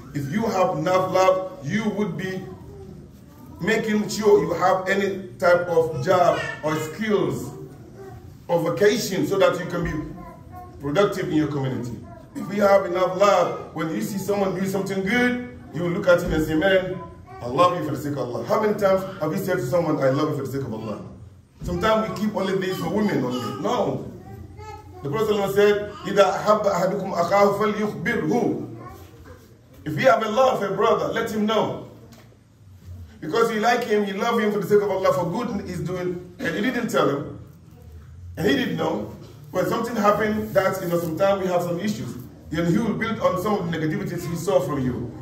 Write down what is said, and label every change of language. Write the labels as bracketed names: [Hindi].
[English] If you have enough love, you would be making sure you have any type of job or skills or vocation so that you can be productive in your community. If you have enough love, when you see someone do something good, you will look at him and say, man, I love you for the sake of Allah. How many times have you said to someone, I love you for the sake of Allah? Sometimes we keep only this for women only. No. The Prophet said, [Arabic] إِذَا أَحَبَّ أَحَدُكُمْ أَخَاهُ فَلْيُخْبِرْهُ. [English] If you have a love for a brother, let him know. Because you like him, you love him for the sake of Allah, for good he's doing, and you didn't tell him. And he didn't know. When something happened that, you know, sometimes we have some issues, then he will build on some of the negativities he saw from you.